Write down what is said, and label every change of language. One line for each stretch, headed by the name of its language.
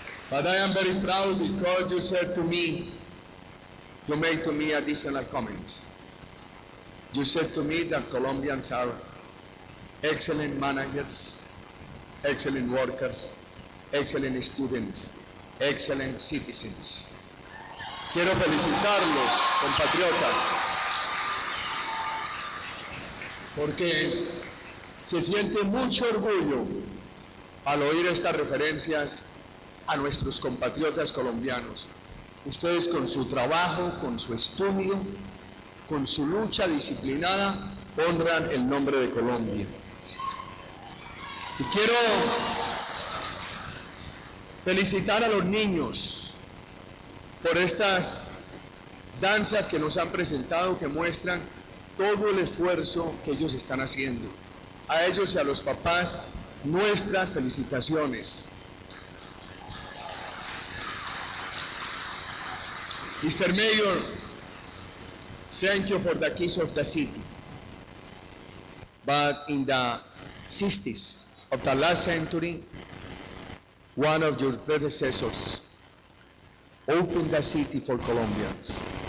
English: But I am very proud because you said to me, you made to me additional comments. You said to me that Colombians are excellent managers, excellent workers, excellent students, excellent citizens.
Spanish: Quiero felicitarlos, compatriotas, porque se siente mucho orgullo al oír estas referencias a nuestros compatriotas colombianos. Ustedes con su trabajo, con su estudio, con su lucha disciplinada, honran el nombre de Colombia. Y quiero felicitar a los niños por estas danzas que nos han presentado, que muestran todo el esfuerzo que ellos están haciendo. A ellos y a los papás, nuestras felicitaciones.
English: Mr. Mayor, thank you for the keys of the city. But in the 60s of the last century, one of your predecessors open the city for Colombians.